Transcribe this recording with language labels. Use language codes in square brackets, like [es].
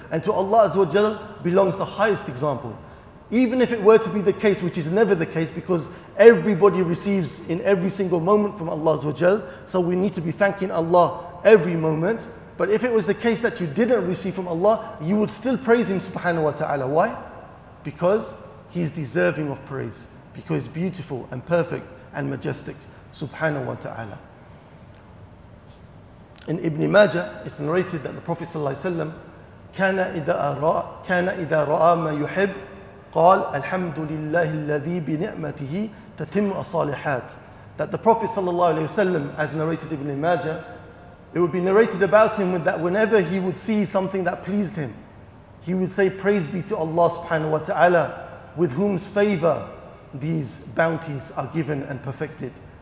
[en] And to Allah Azza wa Jalla belongs the highest example. Even if it were to be the case, which is never the case, because everybody receives in every single moment from Allah Azza wa Jalla, so we need to be thanking Allah every moment. But if it was the case that you didn't receive from Allah, you would still praise Him subhanahu wa ta'ala. Why? Because He's deserving of praise. Because He's beautiful and perfect and majestic, subhanahu wa ta'ala. In Ibn Majah, it's narrated that the Prophet [ar] ﷺ, كَانَ إِذَا رَأَى مَا يُحِبْ قَالَ الْحَمْدُ لِلَّهِ الَّذِي بِنِعْمَتِهِ تَتِمُّ الصَّالِحَاتِ. [en] That the Prophet ﷺ, as narrated Ibn Majah, it would be narrated about him that whenever he would see something that pleased him, he would say, praise be to Allah subhanahu wa ta'ala, with whose favor these bounties are given and perfected.